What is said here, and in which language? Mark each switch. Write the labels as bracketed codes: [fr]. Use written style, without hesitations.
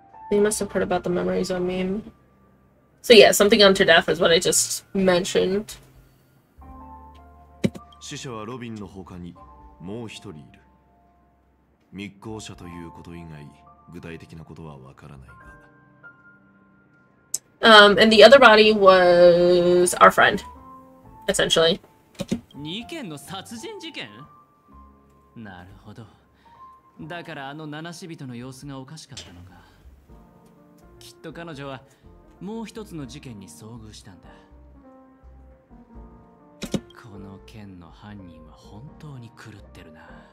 [en] They must have heard about the memories on meme. So yeah, something unto death is what I just mentioned. [ja] 死者はロビンの他にもう一人いる。密航者ということ以外、具体的なことはわからないが。 [en] And the other body was our friend, essentially. [ja] 二件の殺人事件？なるほど。だからあの七死人の様子がおかしかったのか。きっと彼女はもう一つの事件に遭遇したんだ。この件の犯人は本当に狂ってるな。